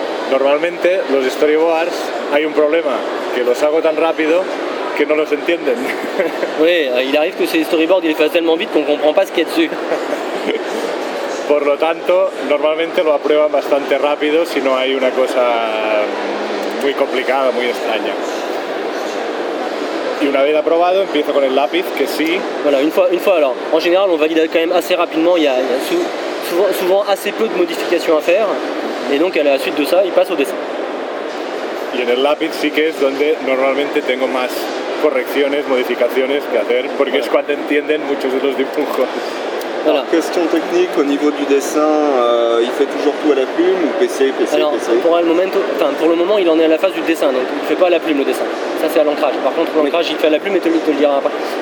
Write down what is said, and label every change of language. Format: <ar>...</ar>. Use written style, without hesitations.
<es>Normalmente, los storyboards, hay un problema, que los hago tan rápido que no los entienden.</es> <fr>Oui, il arrive que ces storyboards, ils les fassent tellement vite qu'on comprend pas ce qu'il y a dessus.</fr> <es>Por lo tanto, normalmente lo aprueban bastante rápido si no hay una cosa muy complicada, muy extraña. Y una vez aprobado, empiezo con el lápiz, que sí.</es> <fr>Voilà, une fois alors, en général, on valide quand même assez rapidement, il y a souvent assez peu de modifications à faire. Et donc, à la suite de ça, il passe au dessin.</fr> <es>Y en el lápiz sí que es donde normalmente tengo más correcciones, modificaciones que hacer, porque es cuando entienden muchos de los dibujos.</es> <fr>Voilà. Alors, question technique, au niveau du dessin, il fait toujours tout à la plume ou PC? Pour le moment, il en est à la phase du dessin, donc il ne fait pas à la plume le dessin. Ça, c'est à l'ancrage. Par contre, l'ancrage, il fait à la plume et te le dira après.</fr>